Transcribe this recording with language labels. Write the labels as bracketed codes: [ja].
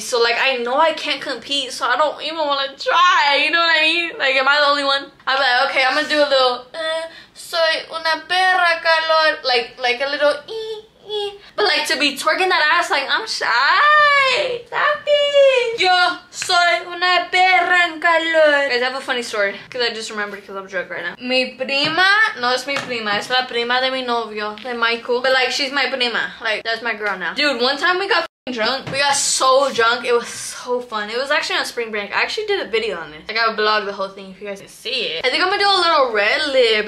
[en] So like, I know I can't compete, so I don't even want to try, you know what I mean? Like, am I the only one? I'm like, okay, I'm gonna do a little [es] soy una perra calor, [en] like a little but like, to be twerking that ass, like, I'm shy. Stop it. [es] Yo soy una perra en calor. [en] Guys, I have a funny story, because I just remembered, because I'm drunk right now. Mi prima, no, it's mi prima, it's [es] la prima de mi novio, de Michael. [en] But like, she's my prima, like, that's my girl now. Dude, one time we got so drunk, it was so fun. It was actually on spring break. I actually did a video on this. Like, I vlogged the whole thing if you guys can see it. I think I'm gonna do a little red lip.